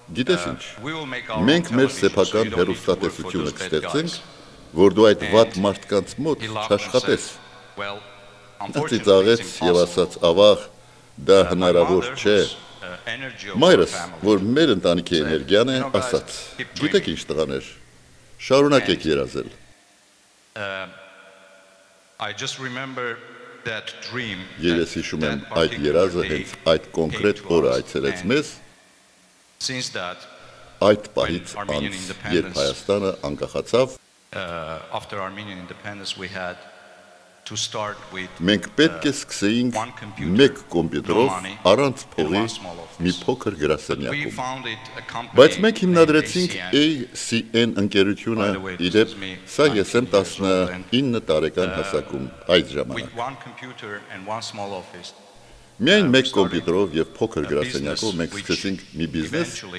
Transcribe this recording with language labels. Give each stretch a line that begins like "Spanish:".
Armenian: «Գիտես ինչ, մենք մեր սեփական հեռուստատեսությունը կստեղծենք, որ դու այդ վատ մարդկանց մոտ չաշխատես»։ Ընդդի ծաղեց եւ ասաց. «Ավաղ, դա հնարավոր չէ»։ Մայրս, որ մեր ընտանիքի էներգիան է, ասաց. «Գիտեք ինչ, տղաներ, շարունակեք երազել»։
English: I just remember that dream.
Armenian: Ես հիշում եմ այդ երազը, հենց այդ կոնկրետ օրը այցելեց մեզ։
English: Since that,
Armenian: այդ պահից անց, երբ Հայաստանը անկախացավ,
English: after Armenian independence we had to start with
Armenian: մենք պետք է սկսեինք մեկ կոմպյուտերով առանց փողի մի փոքր գրասենյակում բայց մենք հիմնադրեցինք ACN ընկերությունը իդեպ սա ես եմ 19 տարեկան հասակում այդ ժամանակ միայն մեկ կոմպյուտերով եւ փոքր գրասենյակով մենք սկսեցինք մի բիզնես